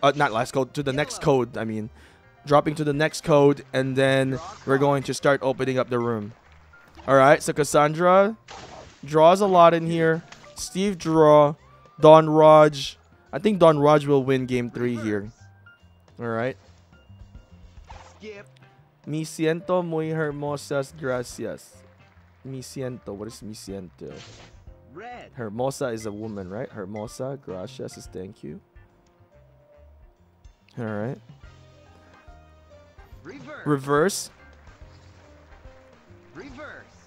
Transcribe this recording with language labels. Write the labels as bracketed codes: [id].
[en] Not last code, to the next code, I mean. Dropping to the next code, and then we're going to start opening up the room. Alright, so Cassandra draws a lot in here. Steve draw. Don Raj. I think Don Raj will win game 3 here. Alright. Skip. [es] Me siento muy hermosas, gracias. Me siento. [en] What is me siento? Red. Hermosa is a woman, right? Hermosa, gracias is thank you. All right. Reverse. Reverse. Reverse.